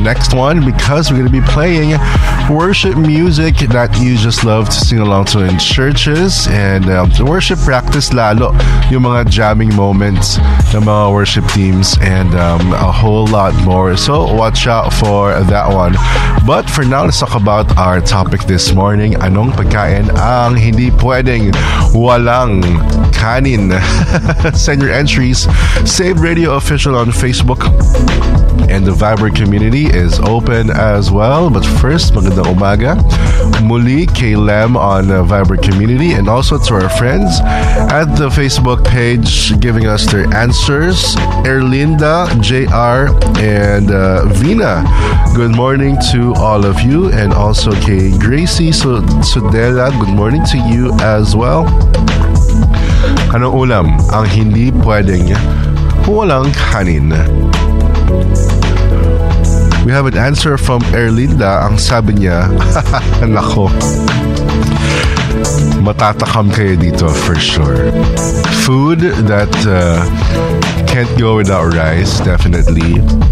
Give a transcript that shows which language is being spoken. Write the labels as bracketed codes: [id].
[en] Next one, because we're going to be playing worship music that you just love to sing along to in churches. And worship practice, [tl] lalo yung mga [en] jamming moments ng mga worship teams, and a whole lot more. So watch out for that one. But for now, let's talk about our topic this morning. [tl] Anong pagkain ang hindi pwedeng walang kanin? [en] Send your entries. Save Radio Official on Facebook. And the Viber community is open as well. But first, [tl] magandang umaga muli [en] kay Lem on the Viber community, and also to our friends at the Facebook page giving us their answers. Erlinda, JR, and Vina, good morning to all of you. And also kay Gracie Sudela, good morning to you as well. [tl] Anong ulam ang hindi pwedeng walang kanin? [en] We have an answer from Erlinda. [tl] Ang sabi niya, nako, matatakam kayo dito [en] for sure. Food that can't go without rice, definitely.